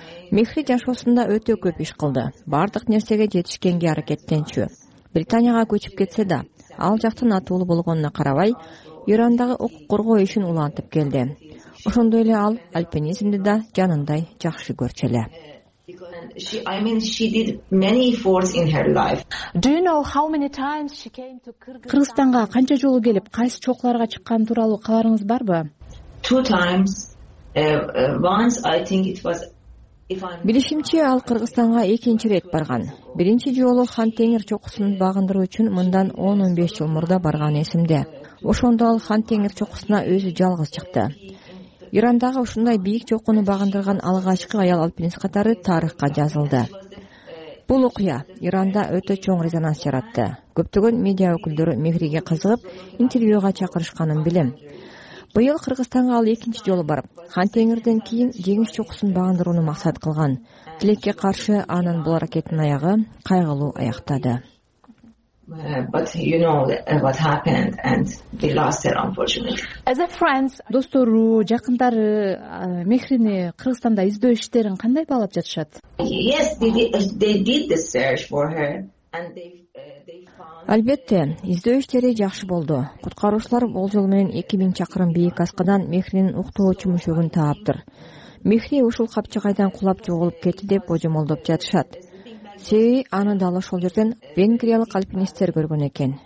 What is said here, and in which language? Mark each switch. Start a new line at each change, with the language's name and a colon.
Kyrgyz: Мехри жашоосунда өтө көп иш кылды. Бардык нерсеге жетишкенге аракеттенчү. Британияга көчүп кетсе да, ал жактын атуулу болгонуна карабай, Ирандагы укук коргоо ишин улантып келди. Ошондой эле ал альпинизмди да жанындай жакшы көрчү эле.
English: She did many efforts in her life. Do you know how many times she came to Kyrgyzstan?
Kyrgyz: Кыргызстанга канча жолу келип, кайсы чокуларга чыккан тууралуу кабарыңыз барбы?
English: 2 times. Once I think it was
Kyrgyz: Билишимче ал Кыргызстанга экинчи рет барган. Биринчи жолу Хан Теңир чокусун багындыруу үчүн мындан 10-15 жыл мурда барган эсимде. Ошондо ал Хан Теңир чокусуна өзү жалгыз чыкты. Ирандагы ушундай бийик чокуну багындырган алгачкы аял альпинист катары тарыхка жазылды. Бул окуя Иранда өтө чоң резонанс жаратты. Көптөгөн медиа өкүлдөрү Мехриге кызыгып, интервьюга чакырышканын билем. Быйыл Кыргызстанга ал экинчи жолу барып, Хан Теңирден кийин жеңиш чокусун багындырууну максат кылган. Тилекке каршы анын бул аракетинин аягы кайгылуу аяктады.
English: But you know what happened and the last year, unfortunately. As a friends,
Kyrgyz: достору, жакындары Мехрини Кыргызстанда издөө иштерин кандай баалап жатышат?
English: Yes, they did the search for her and they found.
Kyrgyz: Албетте, издөө иштери жакшы болду. Куткаруучулар болжол менен 2000 чакырым бийик аскыдан Мехринин уктоочу мүшөгүн тааптыр. Мехри ушул капчыгайдан кулап жоголуп кетти деп божомолдоп жатышат. Себеби аны дал ошол жерден венгриялык альпинисттер көргөн экен.